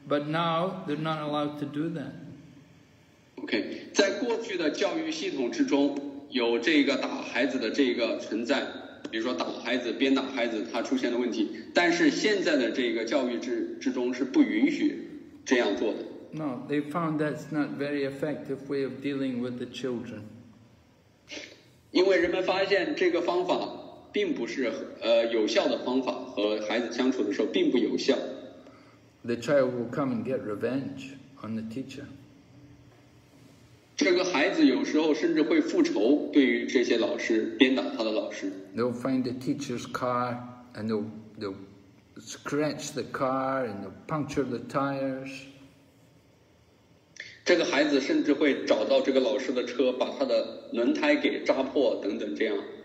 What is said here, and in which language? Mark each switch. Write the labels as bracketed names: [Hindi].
[English] But now they're not allowed to do that. [Chinese] Okay, 在过去的教育系统之中，有这个打孩子的这个存在，比如说打孩子、鞭打孩子，他出现了问题。但是现在的这个教育之中是不允许这样做的。 [English] No, they found that's not very effective way of dealing with the children. [Chinese] 因为人们发现这个方法并不是有效的方法，和孩子相处的时候并不有效。 [English] The child will come and get revenge on the teacher. [Chinese] 这个孩子有时候甚至会复仇，对于这些老师鞭打他的老师。 [English] They'll find the teacher's car and they'll scratch the car and they'll puncture the tires. [Chinese] 这个孩子甚至会找到这个老师的车，把他的轮胎给扎破等等这样。